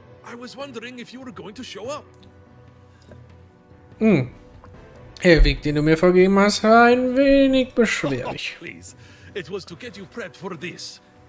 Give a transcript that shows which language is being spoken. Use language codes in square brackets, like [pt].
[en] I was wondering if you were going to show up. [de] Der Weg, den du mir vorgegeben hast, war ein wenig beschwerlich. [en] Oh, please. It was to get you prepped for this.